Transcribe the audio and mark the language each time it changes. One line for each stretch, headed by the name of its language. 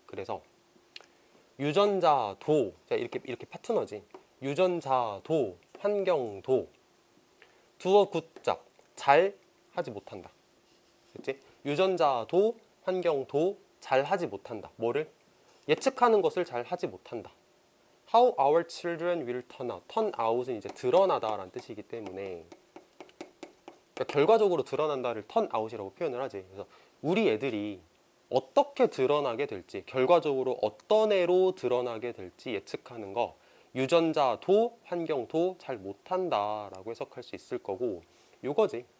Korean: 그래서 유전자도, 자, 이렇게 파트너지. 유전자도, 환경도.
English: do a good job.
Korean: 잘 하지 못한다. 그치? 유전자도, 환경도 잘 하지 못한다. 뭐를? 예측하는 것을 잘 하지 못한다.
English: How our children will turn out.
Korean: turn out은 이제 드러나다 라는 뜻이기 때문에 그러니까 결과적으로 드러난다를 turn out이라고 표현을 하지. 그래서 우리 애들이 어떻게 드러나게 될지, 결과적으로 어떤 애로 드러나게 될지 예측하는 거 유전자도 환경도 잘 못한다라고 해석할 수 있을 거고, 요거지.